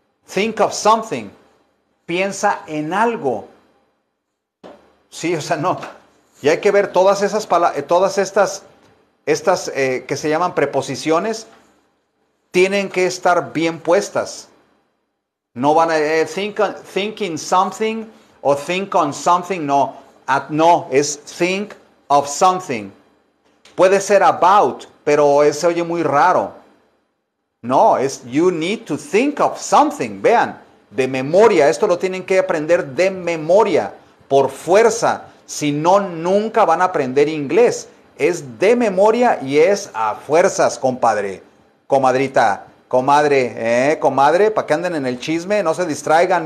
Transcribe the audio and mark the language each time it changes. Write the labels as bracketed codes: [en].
[en] Think of something. [es] Piensa en algo. Sí, o sea, no. Y hay que ver todas esas palabras, todas estas que se llaman preposiciones, tienen que estar bien puestas. No van a thinking something o think on something. No, no, es think of something. Puede ser about, pero se oye muy raro. No, es [en] you need to think of something. [es] Vean, de memoria. Esto lo tienen que aprender de memoria, por fuerza. Si no, nunca van a aprender inglés. Es de memoria y es a fuerzas, compadre. Comadrita, comadre, comadre, para que anden en el chisme, no se distraigan.